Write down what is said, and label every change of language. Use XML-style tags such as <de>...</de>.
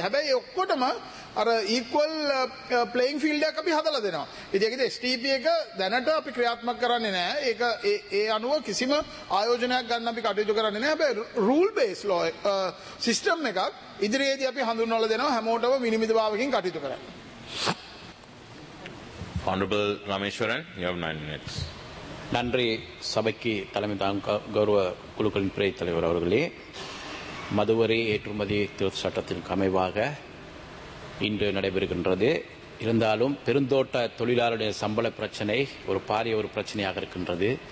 <si>හැබැයි ඔක්කොටම අර ඊක්වල් ප්ලේයින් ෆීල්ඩ් එකක් අපි හදලා දෙනවා. ඉතින් ඒකද STP එක දැනට අපි ක්‍රියාත්මක කරන්නේ නැහැ. ඒක ඒ අනුව කිසිම ආයෝජනයක් ගන්න අපි කටයුතු කරන්නේ නැහැ. හැබැයි රූල් බේස් ලෝ සිස්ටම් එකක් ඉදිරියේදී අපි හඳුන්වලා දෙනවා හැමෝටම විනිවිද භාවකින් කටයුතු කරන්න.</si> <en>Honorable Rameshwaran, you have 9 minutes.</en> <ta>நன்றி சபைக்கு தலைமைதாங்க கௌரவ குழுக்களின் பிரிவு தலைவர் அவர்களே, மதுவரி ஏற்றுமதி திருத்த சட்டத்தின் அமைவாக இன்று நடைபெறுகின்றது. இருந்தாலும் பெருந்தோட்ட தொழிலாளருடைய சம்பள பிரச்சினை ஒரு பாரிய ஒரு பிரச்சனையாக இருக்கின்றது.</ta>